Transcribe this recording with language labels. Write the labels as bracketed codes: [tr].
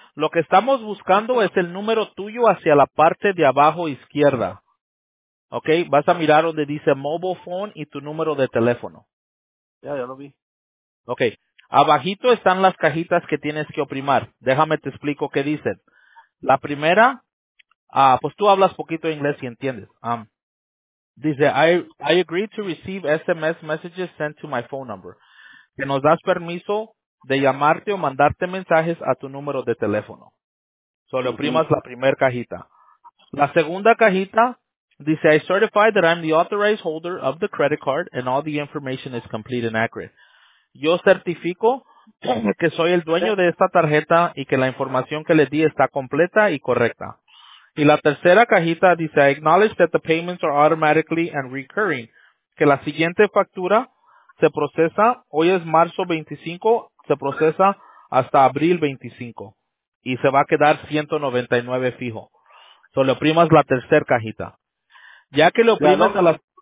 [es] Lo que estamos buscando es el número tuyo hacia la parte de abajo izquierda. Okay. Vas a mirar donde dice Mobile Phone y tu número de teléfono. Ya, ya lo vi. Okay. Abajito están las cajitas que tienes que oprimar. Déjame te explico qué dicen. La primera... pues tú hablas poquito inglés y entiendes. Dice, [en] I agree to receive SMS messages sent to my phone number. [es] Que nos das permiso de llamarte o mandarte mensajes a tu número de teléfono. Solo oprimas la primer cajita. La segunda cajita dice, [en] I certify that I'm the authorized holder of the credit card and all the information is complete and accurate. [es] Yo certifico que soy el dueño de esta tarjeta y que la información que le di está completa y correcta. Y la tercera cajita dice, [en] I acknowledge that the payments are automatically and recurring. [es] Que la siguiente factura se procesa, hoy es marzo 25, se procesa hasta abril 25. Y se va a quedar 199 fijo. So le oprimas la tercera cajita. Ya que le oprimas a la...